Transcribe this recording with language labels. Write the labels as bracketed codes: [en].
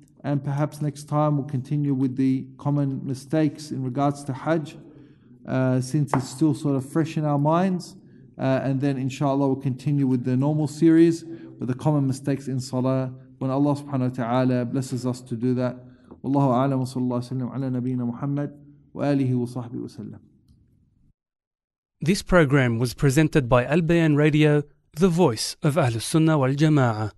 [en] And perhaps next time we'll continue with the common mistakes in regards to Hajj, since it's still sort of fresh in our minds. And then inshallah we'll continue with the normal series with the common mistakes in Salah, when Allah subhanahu wa ta'ala blesses us to do that. [ar] والله أعلم وصلى الله وسلم على نبينا محمد وآله وصحبه وسلم. [en] This program was presented by Al Bayan Radio, the voice of Ahl Sunnah wal Jama'ah.